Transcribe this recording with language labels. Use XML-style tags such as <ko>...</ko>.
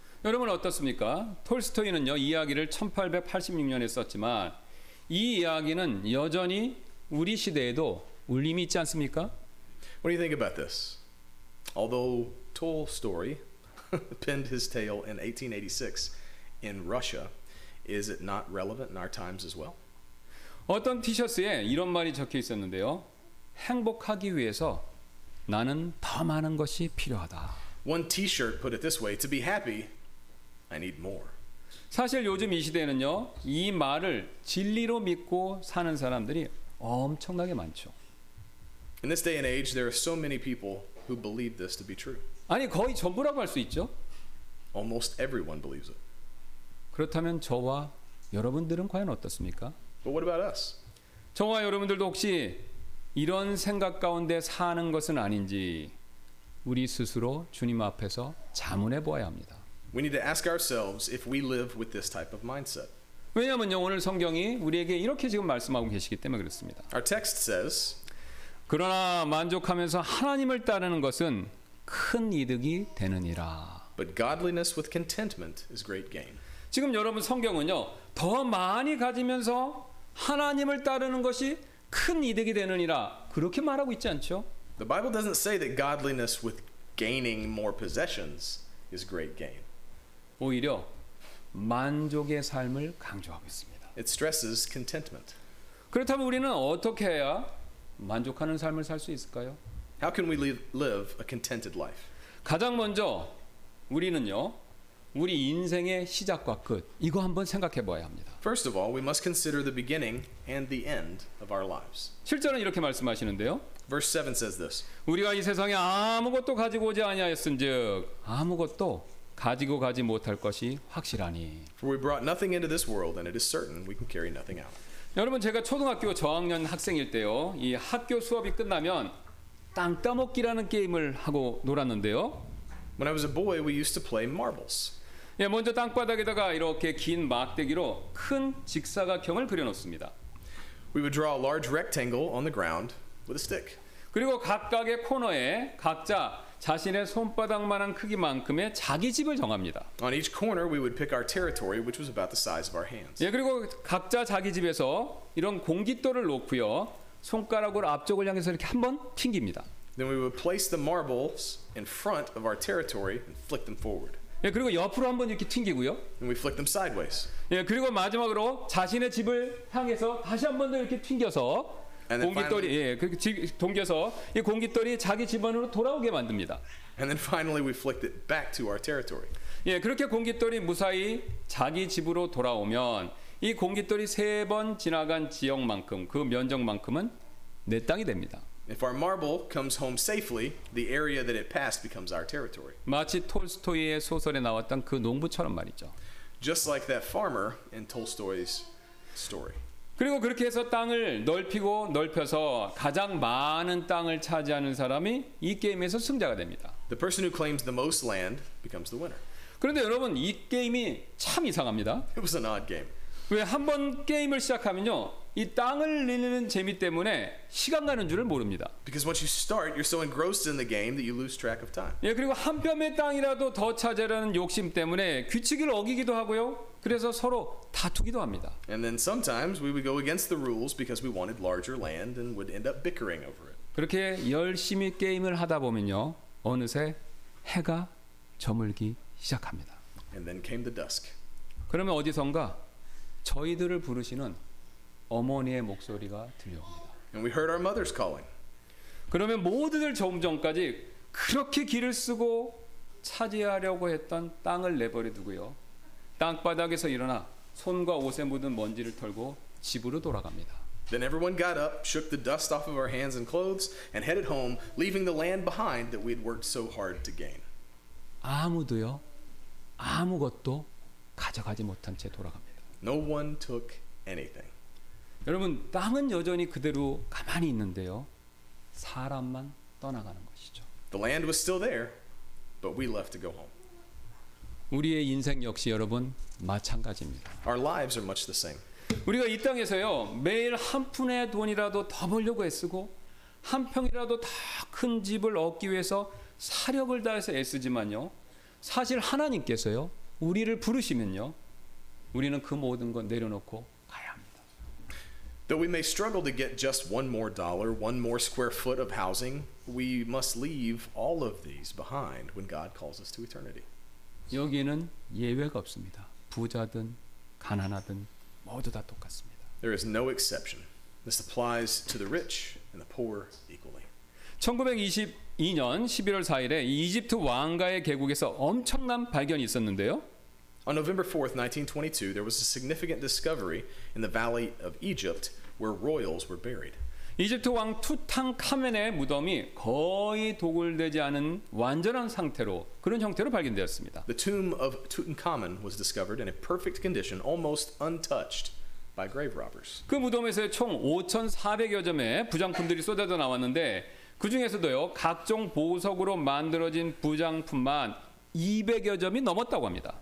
<ko>여러분 어떻습니까? 톨스토이는요, 이야기를 1886년에 썼지만 이 이야기는 여전히 우리 시대에도 울림이 있지 않습니까?</ko> <en>What do you think about this? Although Tolstoy penned his tale in 1886 in Russia, is it not relevant in our times as well?</en> <ko>어떤 티셔츠에 이런 말이 적혀 있었는데요. 행복하기 위해서 나는 더 많은 것이 필요하다.</ko> <en>One t-shirt put it this way, to be happy, I need more.</en> <ko>사실 요즘 이 시대에는요, 이 말을 진리로 믿고 사는 사람들이 엄청나게 많죠.</ko> <en>In this day and age, there are so many people who believe this to be true.</en> <ko>아니, 거의 전부라고 할 수 있죠.</ko> <en>Almost everyone believes it.</en> <ko>그렇다면 저와 여러분들은 과연 어떻습니까?</ko> <en>But what about us?</en> <ko>저와 여러분들도 혹시 이런 생각 가운데 사는 것은 아닌지 우리 스스로 주님 앞에서 자문해 보아야 합니다.</ko> <en>We need to ask ourselves if we live with this type of mindset.</en> <ko>왜냐하면요, 오늘 성경이 우리에게 이렇게 지금 말씀하고 계시기 때문에 그렇습니다.</ko> <en>Our text says,</en> <ko>그러나 만족하면서 하나님을 따르는 것은 큰 이득이 되느니라.</ko> <en>But godliness with contentment is great gain.</en> <ko>지금 여러분 성경은요, 더 많이 가지면서 하나님을 따르는 것이 큰 이득이 되느니라 그렇게 말하고 있지 않죠?</ko> <en>The Bible doesn't say that godliness with gaining more possessions is great gain.</en> <ko>오히려 만족의 삶을 강조하고 있습니다.</ko> <en>It stresses contentment.</en> <ko>그렇다면 우리는 어떻게 해야 만족하는 삶을 살 수 있을까요?</ko> <en>How can we live a contented life?</en> <ko>가장 먼저 우리는요, 우리 인생의 시작과 끝 이거 한번 생각해 봐야 합니다.</ko> <en>First of all, we must consider the beginning and the end of our lives.</en> <ko>7절은 이렇게 말씀하시는데요.</ko> <en>Verse 7 says this.</en> <ko>우리가 이 세상에 아무것도 가지고 오지 아니하였은즉 아무것도 가지고 가지 못할 것이 확실하니.</ko> <en>For we brought nothing into this world and it is certain we can carry nothing out.</en> <ko>여러분 제가 초등학교 저학년 학생일 때요. 이 학교 수업이 끝나면 땅 따먹기라는 게임을 하고 놀았는데요.</ko> <en>When I was a boy, we used to play marbles.</en> <ko>예, 먼저 땅바닥에다가 이렇게 긴 막대기로 큰 직사각형을 그려놓습니다.</ko> <en>We would draw a large rectangle on the ground with a stick.</en> <ko>그리고 각각의 코너에 각자 자신의 손바닥만한 크기만큼의 자기 집을 정합니다.</ko> <en>On each corner, we would pick our territory, which was about the size of our hands.</en> <ko>예, 그리고 각자 자기 집에서 이런 공깃돌을 놓고요, 손가락으로 앞쪽을 향해서 이렇게 한번 튕깁니다.</ko> <en>Then we would place the marbles in front of our territory and flick them forward.</en> <ko>예, 그리고 옆으로 한번 이렇게 튕기고요.</ko> <en>And we flick them sideways.</en> <ko>예, 그리고 마지막으로 자신의 집을 향해서 다시 한번 더 이렇게 튕겨서 공깃돌이 예, 그렇게 튕겨서 이 공깃돌이 자기 집 안으로 돌아오게 만듭니다.</ko> <en>And then finally we flicked it back to our territory.</en> <ko>예, 그렇게 공깃돌이 무사히 자기 집으로 돌아오면 이 공깃돌이 세 번 지나간 지역만큼 그 면적만큼은 내 땅이 됩니다.</ko> <en>If our marble comes home safely, the area that it passed becomes our territory.</en> <ko>마치 톨스토이의 소설에 나왔던 그 농부처럼 말이죠.</ko> <en>Just like that farmer in Tolstoy's story.</en> <ko>그리고 그렇게 해서 땅을 넓히고 넓혀서 가장 많은 땅을 차지하는 사람이 이 게임에서 승자가 됩니다.</ko> <en>The person who claims the most land becomes the winner.</en> <ko>그런데 여러분, 이 게임이 참 이상합니다.</ko> <en>It was an odd game.</en> <ko>왜 한 번 게임을 시작하면요, 이 땅을 잃는 재미 때문에 시간 가는 줄을 모릅니다.</ko> <en>Because once you start, you're so engrossed in the game that you lose track of time.</en> <ko>예, 그리고 한 뼘의 땅이라도 더 차지하려는 욕심 때문에 규칙을 어기기도 하고요. 그래서 서로 다투기도 합니다.</ko> <en>And then sometimes we would go against the rules because we wanted larger land and would end up bickering over it.</en> <ko>그렇게 열심히 게임을 하다 보면요, 어느새 해가 저물기 시작합니다.</ko> <en>And then came the dusk.</en> <ko>그러면 어디선가 저희들을 부르시는 어머니의 목소리가 들려옵니다.</ko> <en>And we heard our mother's calling.</en> <ko>그러면 모두들 점점까지 그렇게 길을 쓰고 차지하려고 했던 땅을 내버려 두고요. 땅바닥에서 일어나 손과 옷에 묻은 먼지를 털고 집으로 돌아갑니다.</ko> <en>Then everyone got up, shook the dust off of our hands and clothes, and headed home, leaving the land behind that we'd worked so hard to gain.</en> <ko>아무도요, 아무것도 가져가지 못한 채 돌아갑니다.</ko> <en>No one took anything.</en> <ko>여러분, 땅은 여전히 그대로 가만히 있는데요. 사람만 떠나가는 것이죠.</ko> <en>The land was still there, but we left to go home.</en> <ko>우리의 인생 역시 여러분 마찬가지입니다.</ko> <en>Our lives are much the same.</en> <ko>우리가 이 땅에서요, 매일 한 푼의 돈이라도 더 벌려고 애쓰고 한 평이라도 더 큰 집을 얻기 위해서 사력을 다해서 애쓰지만요. 사실 하나님께서요, 우리를 부르시면요, 우리는 그 모든 것 내려놓고 가야 합니다.</ko> <en>Though we may struggle to get just one more dollar, one more square foot of housing, we must leave all of these behind when God calls us to eternity.</en> <ko>여기는 예외가 없습니다. 부자든 가난하든 모두 다 똑같습니다.</ko> <en>There is no exception. This applies to the rich and the poor equally.</en> <ko>1922년 11월 4일에 이집트 왕가의 계곡에서 엄청난 발견이 있었는데요.</ko> <en>On November 4th, 1922, there was a significant discovery in the valley of Egypt where royals were buried.</en> <ko>이집트 왕 투탕카멘의 무덤이 거의 도굴되지 않은 완전한 상태로 그런 형태로 발견되었습니다.</ko> <en>The tomb of Tutankhamun was discovered in a perfect condition, almost untouched by grave robbers.</en> <ko>그 무덤에서 총 5,400여 점의 부장품들이 쏟아져 나왔는데 그 중에서도요 각종 보석으로 만들어진 부장품만 200여 점이 넘었다고 합니다.</ko>